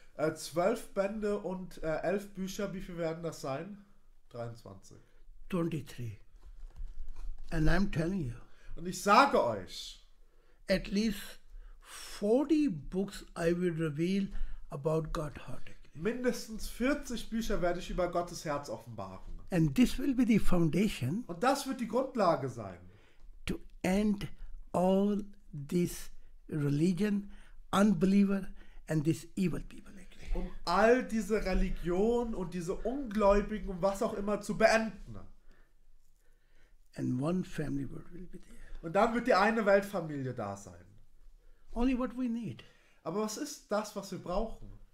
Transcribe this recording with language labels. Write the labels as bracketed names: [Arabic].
[German] 12 Bände und 11 Bücher, wie viel werden das sein? [English] 23. 23. And I'm telling you. [German] Und ich sage euch. [English] At least 40 books I will reveal about God's heart. [German] Mindestens 40 Bücher werde ich über Gottes Herz offenbaren. [English] And this will be the foundation. [German] Und das wird die Grundlage sein. [English] To end all this religion, unbeliever and this evil people. [German] Um all diese Religion und diese Ungläubigen und was auch immer zu beenden. [English] And one family will be there. [German] Und dann wird die eine Weltfamilie da sein. [English] Only what we need. [German] Aber was ist das, was wir brauchen?